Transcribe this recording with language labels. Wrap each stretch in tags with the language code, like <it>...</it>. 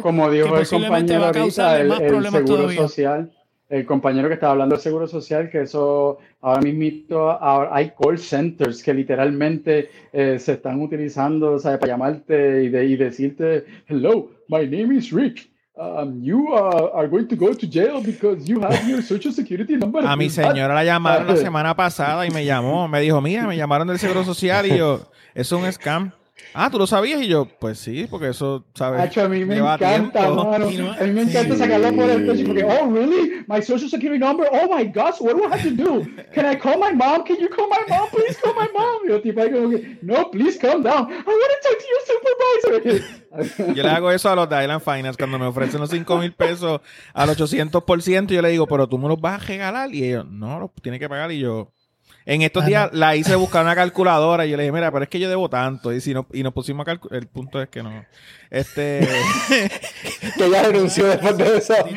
<es>O como dijo que posiblemente el compañero va a causarle más problemas seguro todavía. Social. El compañero que estaba hablando del Seguro Social, que eso ahora mismo hay call centers que literalmente se están utilizando, o sea, para llamarte y decirte,</es> <en>hello, my name is Rick. You are going to go to jail because you have your social security number.</en> <es>A mi señora la llamaron la semana pasada y me llamó. Me dijo, mira, me llamaron del Seguro Social y yo, es un scam. Ah, ¿tú lo sabías? Y yo, pues sí, porque eso, ¿sabes? Acho, a mí me lleva encanta, tiempo. Mano. A mí me encanta sacarlo por el pecho porque,</es> <en>oh, really? My social security number? Oh, my gosh, what do I have to do? Can I call my mom? Can you call my mom? Please call my mom.</en> <es>Y yo, tipo, ahí como que, no,</es> <en>please calm down. I want to talk to your supervisor.</en> <es>Yo le hago eso a los de Island Finance cuando me ofrecen los 5,000 pesos al 800%. Yo le digo, pero tú me los vas a regalar. Y ellos, no, los tiene que pagar. Y yo... En estos días la hice buscar una calculadora y yo le dije, mira, pero es que yo debo tanto. Y si no, y nos pusimos a calcular. El punto es que no. que ya renunció después de eso.</es>